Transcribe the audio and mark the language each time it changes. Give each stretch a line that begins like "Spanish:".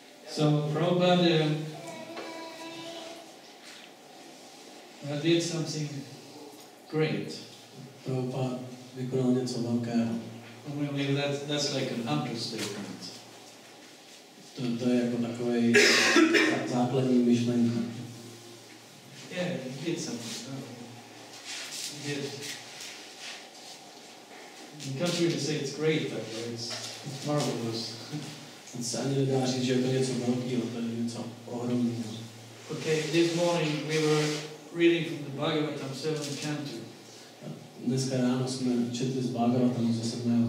English: So, Prabhupada did something great.
Czech: Prabhupada vykonal něco velkého.
English: That's like an anchor statement.
Czech: To je jako takový základní myšlenka.
English: Yeah, he did something. He can't really say it's great, but it's marvelous.
Czech: Se ani nedá říct, že to je něco velkého, to je něco ohromného.
English: Okay, this morning we were reading from the Bhagavatam 7th canto.
Czech: Dneska ráno jsme četli z Bhagavatam ze 7.